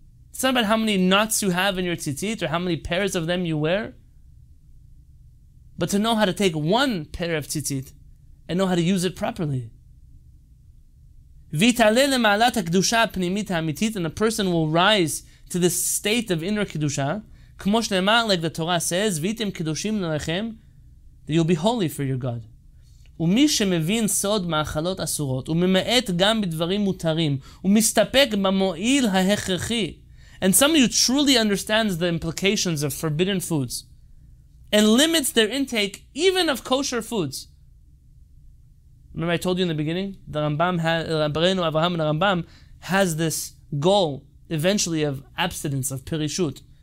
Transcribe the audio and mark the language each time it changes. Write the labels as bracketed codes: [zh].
[en] It's not about how many knots you have in your tzitzit or how many pairs of them you wear, but to know how to take one pair of tzitzit and know how to use it properly. [he] V'itale le'ma'alat ha'kedusha p'nimit ha'amitit, [en] and a person will rise to the state of inner kedusha, [he] כמו שנאמר, [en] like the Torah says, [he] ויתם קדושים לכם, [en] that you'll be holy for your God. [he] ומי שמבין סוד מאכלות אסורות, וממעט גם בדברים מותרים, ומסתפק במועיל ההכרחי. [en] And somebody who truly understands the implications of forbidden foods, and limits their intake even of kosher foods, Remember I told you in the beginning, the Rambam has, Rabbeinu Avraham and the Rambam has this goal eventually of abstinence, of pirishut.